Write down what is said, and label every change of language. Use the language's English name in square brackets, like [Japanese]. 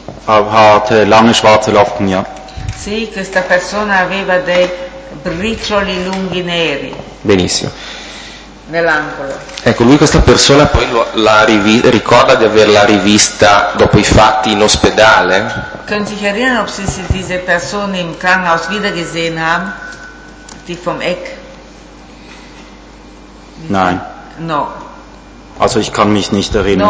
[German] hatte lange schwarze Locken, ja. [Italian] Sì, questa persona aveva dei briccioli lunghi neri. Benissimo. Nell'angolo. Ecco, lui questa persona poi ricorda di averla rivista dopo i fatti in ospedale? [German] Können Sie sich erinnern, ob Sie diese Person im Krankenhaus wiedergesehen haben? Die vom Eck? Nein. [Italian] No. [German] Also ich kann mich nicht erinnern.